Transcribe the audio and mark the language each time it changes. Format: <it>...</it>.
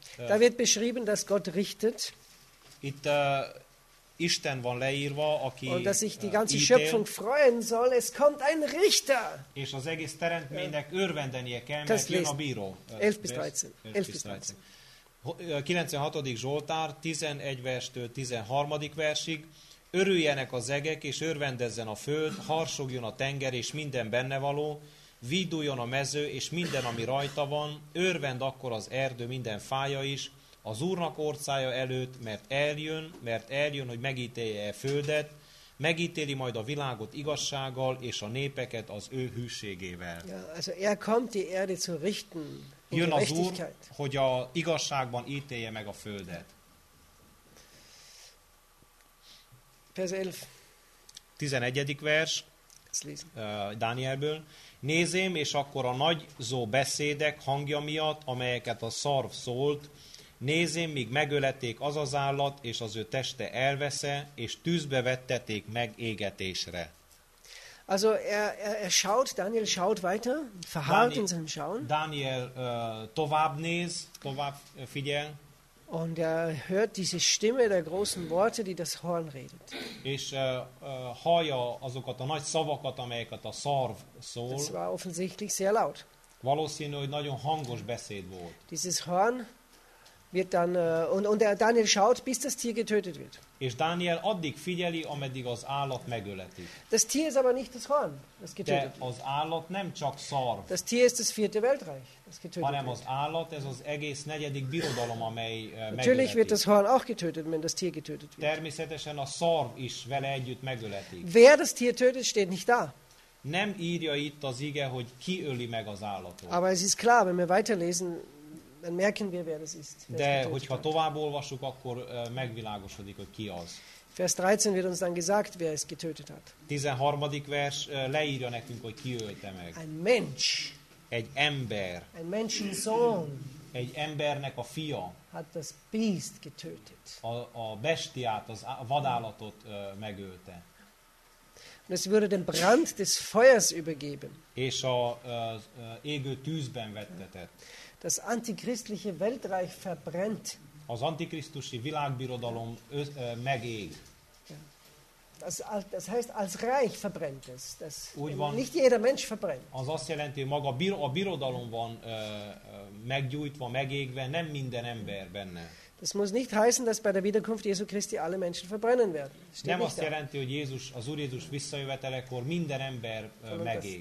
<de>Da wird beschrieben, dass Gott richtet.</de> <hu>Itt Isten van leírva, aki</hu> <de>und dass sich die ganze Schöpfung freuen soll, es kommt ein Richter.</de> <hu>És az egész teremtménynek örvendenie kell, mert jön a bíró.</hu> <de>11-13.</de> <hu>96. Zsoltár, 11 verstől 13. versig. Örüljenek az egek, és örvendezzen a föld, harsogjon a tenger, és minden benne való, víduljon a mező, és minden, ami rajta van, örvend akkor az erdő minden fája is, az Úrnak orcája előtt, mert eljön, hogy megítélje a földet, megítéli majd a világot igazsággal, és a népeket az ő hűségével.</hu> <de>Ja, also er kommt die Erde zu richten.</de> <hu>Jön az Úr, hogy a igazságban ítélje meg a földet.</hu> <de>Vers 11.</de> <hu>11. vers. Dánielből. Nézém, és akkor a nagyzó beszédek hangja miatt, amelyeket a szarv szólt, nézém, míg megöleték az az állat, és az ő teste elvesze, és tűzbe vetteték meg égetésre.</hu> <de>Also er schaut, Daniel schaut weiter, verharrt in seinem Schauen.</de> <hu>Daniel tovább néz, tovább figyel.</hu> <de>Und er hört diese Stimme der großen Worte, die das Horn redet.</de> <hu>És hallja azokat a nagy szavakat, amelyeket a szarv szól.</hu> <de>Das war offensichtlich sehr laut.</de> <hu>Valószínű, hogy nagyon hangos beszéd volt.</hu> <de>Dieses Horn wird dann und der Daniel schaut, bis das Tier getötet wird.</de> <hu>És Daniel addig figyeli, ameddig az állat megöleti.</hu> <de>Das Tier ist aber nicht das Horn, das getötet wird.</de> <hu>De az állat nem csak szarv.</hu> <de>Das Tier ist das vierte Weltreich, das getötet wird.</de> <hu>Hanem az állat, ez az egész negyedik birodalom, amely megöleti.</hu> <de>Natürlich wird das Horn auch getötet, wenn das Tier getötet wird.</de> <hu>Természetesen a szarv is vele együtt megöleti.</hu> <de>Wer das Tier tötet, steht nicht da.</de> <hu>Nem írja itt az ige, hogy ki öli meg az állatot.</hu> <de>Aber es ist klar, wenn wir weiterlesen, dann merken wir, wer das ist.</de> <hu>De hogyha tovább olvassuk, akkor megvilágosodik, hogy ki az.</hu> <de>Vers 13 wird uns dann gesagt, wer es getötet hat.</de> <hu>13. vers leírja nekünk, hogy ki ölte meg.</hu> <de>Ein Mensch.</de> <hu>Egy ember.</hu> <de>Ein Menschensohn.</de> <hu>Egy embernek a fia.</hu> <de>Hat das Beast getötet.</de> <hu>A bestiát, az vadállatot megölte.</hu> <de>Und es wurde dem Brand des Feuers übergeben.</de> <hu>És a égő tűzben vettetett.</hu> <de>Das antichristliche Weltreich verbrennt.</de> <hu>Az antikrisztusi világbirodalom megég.</hu> <de>Das heißt, als Reich verbrennt es. Nicht jeder Mensch verbrennt.</de> <hu>Az azt jelenti, hogy maga a birodalom van meggyújtva, megégve, nem minden ember benne.</hu> <de>Das muss nicht heißen, dass bei der Wiederkunft Jesu Christi alle Menschen verbrennen werden.</de> <hu>Nem azt jelenti, hogy Jézus, az Úr Jézus visszajövetelekor minden ember megég.</hu>